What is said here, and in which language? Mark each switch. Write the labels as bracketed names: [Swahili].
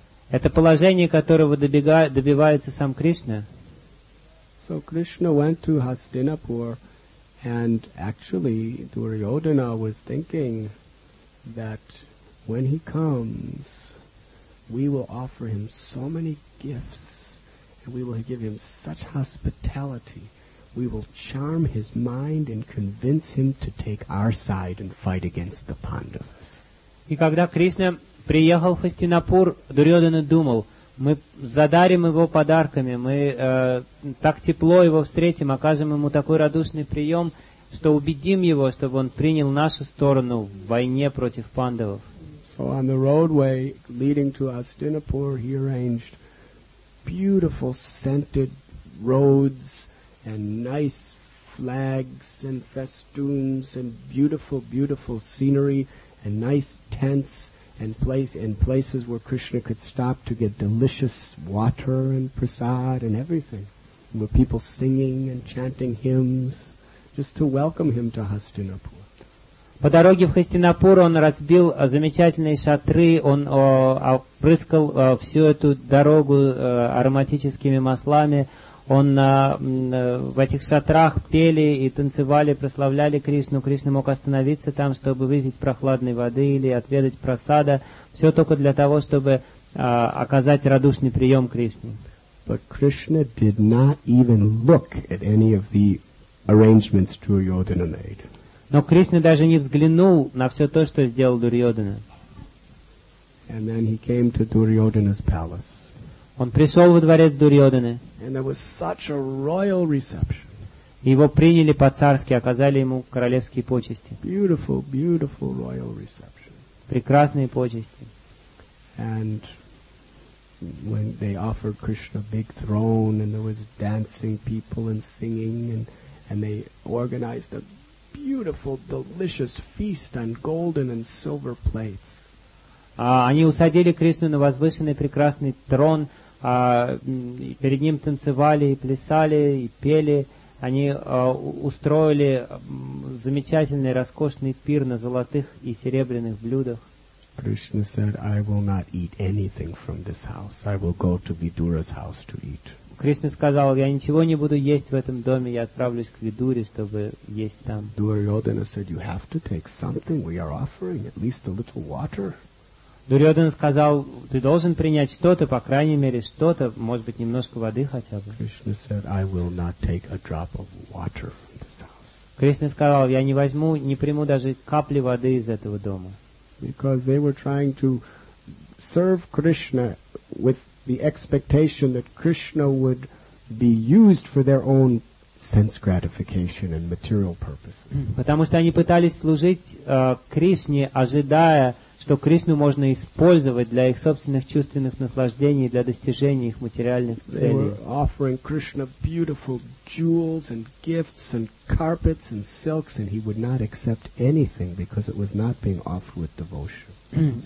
[Russian] Это положение, которого добивается сам Кришна. [English] So Krishna went to Hastinapur, and actually Duryodhana was thinking that when he comes, we will offer him so many gifts, and we will give him such hospitality. We will charm his mind and convince him to take our side and fight against the Pandavas. [Russian] И когда Кришна приехал в Хастинапур, Дурьодхана думал: мы задарим его подарками, мы так тепло его встретим, окажем ему такой радушный прием, что убедим его, чтобы он принял нашу сторону в войне против Пандавов. [English] So on the roadway leading to Hastinapur, he arranged beautiful scented roads and nice flags and festoons and beautiful, beautiful scenery and nice tents and places where Krishna could stop to get delicious water and prasad and everything. And with people singing and chanting hymns just to welcome him to Hastinapur. [Russian] По дороге в Хастинапур он разбил замечательные шатры, он опрыскал всю эту дорогу ароматическими маслами. Он в этих шатрах пели и танцевали, прославляли Кришну. Кришна мог остановиться там, чтобы выпить прохладной воды или отведать прасада. Все только для того, чтобы оказать радушный прием Кришне. [English] But Krishna did not even look at any of the arrangements Duryodhana made. [Russian] Но Кришна даже не взглянул на все то, что сделал Дурьодхана. [English] And then he came to Duryodhana's palace. [Russian] Он пришел во дворец Дурьодханы. [English] And there was such a royal reception. [Russian] Его приняли по-царски, оказали ему королевские почести. [English] Beautiful, beautiful royal reception. [Russian] Прекрасные почести. [English] And when they offered Krishna a big throne and there was dancing people and singing, and they organized a beautiful, delicious feast on golden and silver plates. [Russian] Они усадили Кришну на возвышенный прекрасный трон, перед ним танцевали и плясали и пели. Они устроили замечательный, роскошный пир на золотых и серебряных блюдах. [English] Krishna said, I will not eat anything from this house. I will go to Vidura's house to eat. [Russian] Кришна сказал, я ничего не буду есть в этом доме, я отправлюсь к Видуре, чтобы есть там. [English] Дурьодхана said, you have to take something, we are offering at least a little water. [Russian] Дурьодхана сказал, ты должен принять что-то, по крайней мере что-то, может быть немножко воды хотя бы. [English] Krishna said, I will not take a drop of water from this house. [Russian] Кришна сказал, я не возьму, не приму даже капли воды из этого дома. [English] Because they were trying to serve Krishna with the expectation that Krishna would be used for their own sense gratification and material purposes. [Russian] Потому что они пытались служить Кришне, ожидая, что Кришну можно использовать для их собственных чувственных наслаждений, для достижения их материальных целей. [English] They were offering Krishna beautiful jewels and gifts and carpets and silks, and he would not accept anything because it was not being offered with devotion.